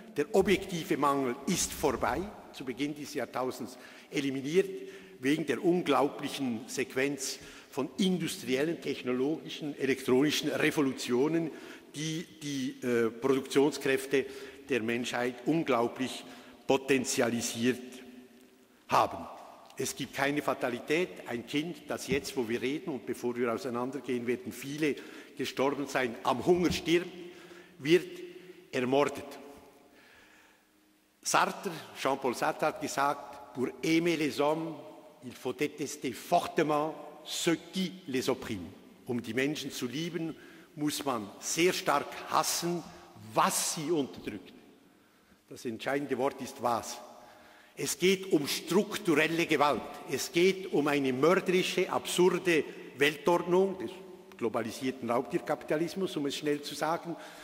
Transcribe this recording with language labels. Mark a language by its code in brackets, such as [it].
[de] Der objektive Mangel ist vorbei, zu Beginn dieses Jahrtausends eliminiert, wegen der unglaublichen Sequenz von industriellen, technologischen, elektronischen Revolutionen, die die Produktionskräfte der Menschheit unglaublich potenzialisiert haben. Es gibt keine Fatalität. Ein Kind, das jetzt, wo wir reden und bevor wir auseinandergehen, werden viele gestorben sein, am Hunger stirbt, wird ermordet. [fr] Sartre, Jean-Paul [de] Sartre hat gesagt, [fr] pour aimer les hommes, il faut détester fortement ceux qui les oppriment. [de] Um die Menschen zu lieben, muss man sehr stark hassen, was sie unterdrückt. Das entscheidende Wort ist was. Es geht um strukturelle Gewalt. Es geht um eine mörderische, absurde Weltordnung des globalisierten Raubtierkapitalismus, um es schnell zu sagen.